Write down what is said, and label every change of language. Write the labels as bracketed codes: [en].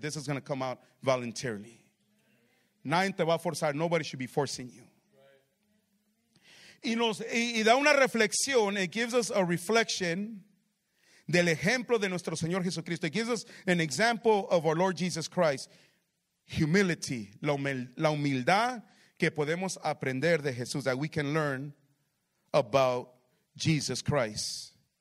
[en] This is going to come out voluntarily. [es] Nadie te va a forzar. [en] Nobody should be forcing you. [es] Y nos y da una reflexión. [en] It gives us a reflection [es] del ejemplo de nuestro Señor Jesucristo. [en] It gives us an example of our Lord Jesus Christ. Humility. [es] La humildad que podemos aprender de Jesús. [en] That we can learn about Jesus Christ.